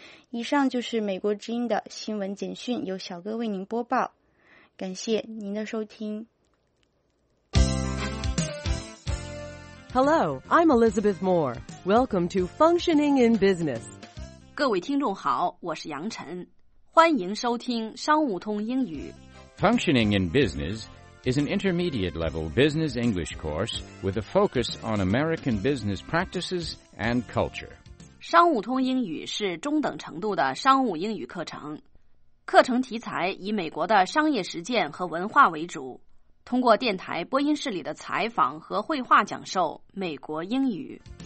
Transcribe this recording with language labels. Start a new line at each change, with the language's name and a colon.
Chinese: 以上就是美国之音的新闻简讯，由小哥为您播报。感谢您的收听。
English: Hello, I'm Elizabeth Moore. Welcome to Functioning in Business.
Chinese: 各位听众好，我是杨晨，欢迎收听商务通英语。
English: Functioning in Business is an intermediate-level business English course with a focus on American business practices and culture.
Chinese: 商务通英语是中等程度的商务英语课程，课程题材以美国的商业实践和文化为主，通过电台播音室里的采访和绘画讲授美国英语。